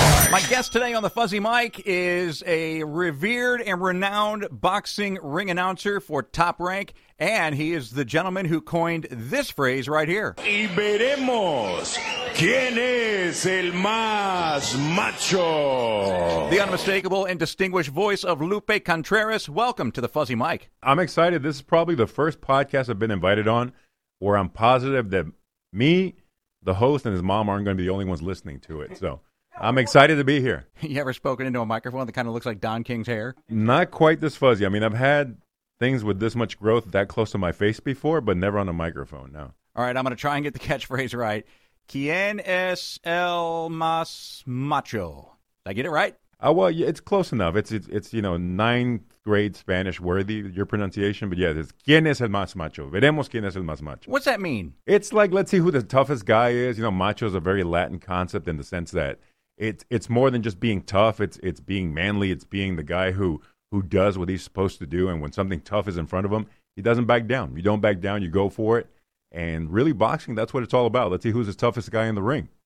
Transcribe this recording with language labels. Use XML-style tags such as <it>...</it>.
<en>My guest today on the Fuzzy Mic is a revered and renowned boxing ring announcer for Top Rank, and he is the gentleman who coined this phrase right here.</en> <es>Y veremos quién es el más macho.</es> <en>The unmistakable and distinguished voice of Lupe Contreras. Welcome to the Fuzzy Mic. I'm excited. This is probably the first podcast I've been invited on where I'm positive that me, the host, and his mom aren't going to be the only ones listening to it, so... I'm excited to be here. You ever spoken into a microphone that kind of looks like Don King's hair? Not quite this fuzzy. I mean, I've had things with this much growth that close to my face before, but never on a microphone, no. All right, I'm going to try and get the catchphrase right.</en> <es>¿Quién es el más macho?</es> <en>Did I get it right? It's close enough. It's you know, ninth grade Spanish worthy, your pronunciation. But yeah, it's</en> <es>¿Quién es el más macho? Veremos quién es el más macho.</es> <en>What's that mean? It's like, let's see who the toughest guy is. You know, macho is a very Latin concept in the sense that it's more than just being tough. It's being manly. It's being the guy who does what he's supposed to do. And when something tough is in front of him, he doesn't back down. You don't back down. You go for it. And really, boxing, that's what it's all about. Let's see who's the toughest guy in the ring.</en>